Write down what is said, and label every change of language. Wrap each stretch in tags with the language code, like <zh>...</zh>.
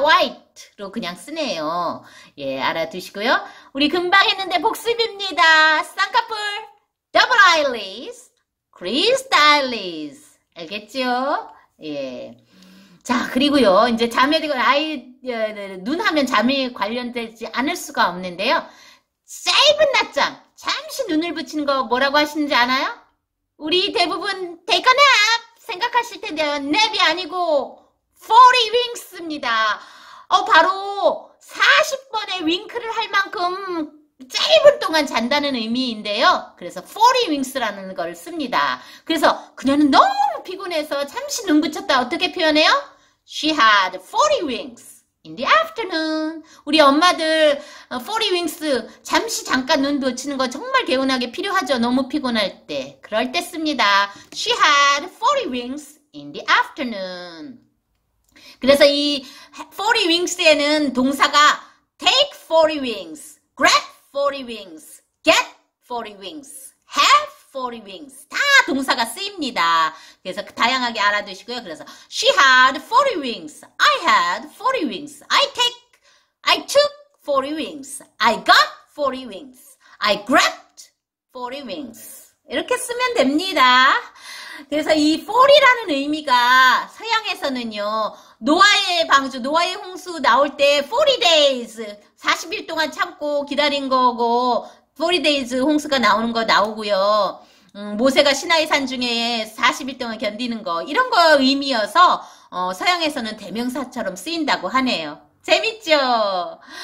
<ko>White로 그냥 쓰네요. 예, 알아두시고요. 우리 금방 했는데 복습입니다. 쌍꺼풀,</ko> <en>double eyelids, crease eyelids.</en> <ko>알겠죠? 예. 자, 그리고요. 이제 잠에 대고 아이 눈 하면 잠에 관련되지 않을 수가 없는데요. 짧은 낮잠, 잠시 눈을 붙이는 거 뭐라고 하시는지 아나요? 우리 대부분</ko> <en>take a nap</en> <ko>생각하실 텐데요. nap이 아니고 40 winks입니다. 바로 40번의 윙크를 할 만큼 짧은 동안 잔다는 의미인데요. 그래서 40 winks라는 걸 씁니다. 그래서 그녀는 너무 피곤해서 잠시 눈 붙였다. 어떻게 표현해요?</ko> <en>She had 40 winks in the afternoon.</en> <ko>우리 엄마들 40 winks 잠시 잠깐 눈 붙이는 거 정말 개운하게 필요하죠. 너무 피곤할 때. 그럴 때 씁니다.</ko> <en>She had 40 winks in the afternoon.</en> <ko>그래서 이40 wings에는 동사가</ko> <en>take 40 wings, grab 40 wings, get 40 wings, have 40 wings</en> <ko>다 동사가 쓰입니다. 그래서 다양하게 알아두시고요.</ko> <en>그래서 she had 40 wings, I had 40 wings, I took 40 wings, I got 40 wings, I grabbed 40 wings</en> <ko>이렇게 쓰면 됩니다. 그래서 이 40이라는 의미가 서양에서는요. 노아의 방주, 노아의 홍수 나올 때 40 days, 40일 동안 참고 기다린 거고 40 days 홍수가 나오는 거 나오고요. 모세가 시나이 산 중에 40일 동안 견디는 거 이런 거 의미여서 서양에서는 대명사처럼 쓰인다고 하네요. 재밌죠?</ko>